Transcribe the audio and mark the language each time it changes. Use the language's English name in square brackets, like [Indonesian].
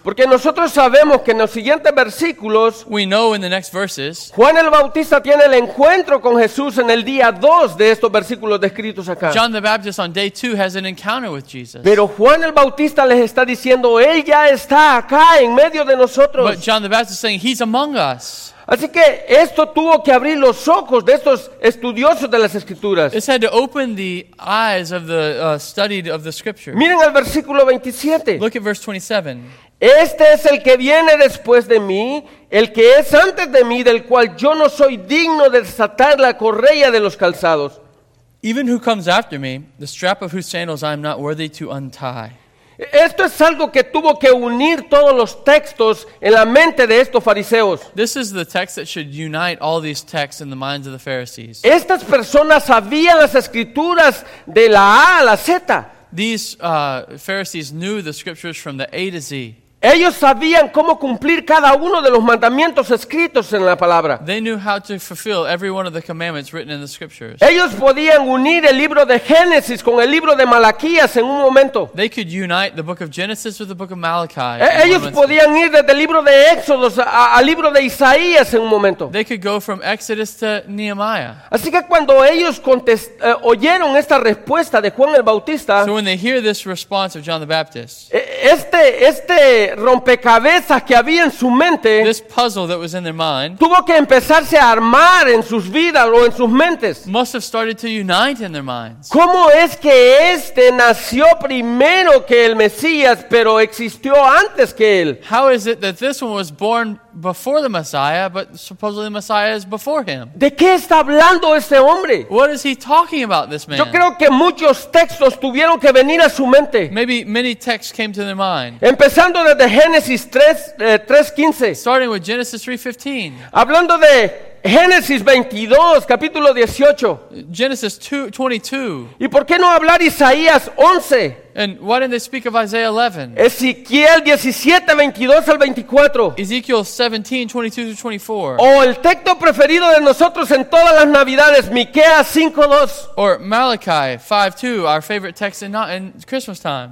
[Spanish] Porque nosotros sabemos que en los siguientes versículos, [English] we know in the next verses, [Spanish] Juan el Bautista tiene el encuentro con Jesús en el día 2 de estos versículos descritos acá. [English] John the Baptist on day 2 has an encounter with Jesus. [Spanish] Pero Juan el Bautista les está diciendo, él ya está acá en medio de nosotros. [English] But John the Baptist is saying, he's among us. [Spanish] Así que esto tuvo que abrir los ojos de estos estudiosos de las Escrituras. [English] This had to open the eyes of the studied of the Scripture. [Spanish] Miren el versículo 27. [English] Look at verse 27. [Spanish] Este es el que viene después de mí, el que es antes de mí, del cual yo no soy digno de desatar la correa de los calzados. [English] Even who comes after me, the strap of whose sandals I am not worthy to untie. [Spanish] Esto es algo que tuvo que unir todos los textos en la mente de estos fariseos. [English] This is the text that should unite all these texts in the minds of the Pharisees. [Spanish] Estas personas sabían las escrituras de la A a la Z. [English] These Pharisees knew the scriptures from the A to Z. [Spanish] Ellos sabían cómo cumplir cada uno de los mandamientos escritos en la palabra. [English] They knew how to fulfill every one of the commandments written in the scriptures. [Spanish] Ellos podían unir el libro de Génesis con el libro de Malaquías en un momento. [English] They could unite the book of Genesis with the book of Malachi. [Spanish] Ellos podían ir desde el libro de Éxodos al libro de Isaías en un momento. [English] They could go from Exodus to Nehemiah. [Spanish] Así que cuando ellos oyeron esta respuesta de Juan el Bautista, [English] so when they hear this response of John the Baptist, [Spanish] este rompecabezas que había en su mente, [English] this puzzle that was in their mind, [Spanish] tuvo que empezarse a armar en sus vidas o en sus mentes. [English] Must have started to unite in their minds. [Spanish] ¿Cómo es que este nació primero que el Mesías, pero existió antes que él? [English] How is it that this one was born before the Messiah, but supposedly the Messiah is before him? [Spanish] ¿De qué está hablando este hombre? [English] What is he talking about, this man? [Spanish] Yo creo que muchos textos tuvieron que venir a su mente. [English] Maybe many texts came to their mind. [Spanish] Empezando desde Génesis 3:15. [English] Starting with Genesis 3:15. [Spanish] Hablando de Génesis 22, capítulo 18. [English] Genesis 2:22. [Spanish] ¿Y por qué no hablar Isaías 11? [English] And why didn't they speak of Isaiah 11? [Spanish] Ezequiel 17:22-24. [English] Ezekiel 17:22-24. [Spanish] O el texto preferido de nosotros en todas las Navidades, Miqueas 5:2. [English] Or Malachi 5:2, our favorite text in Christmas time.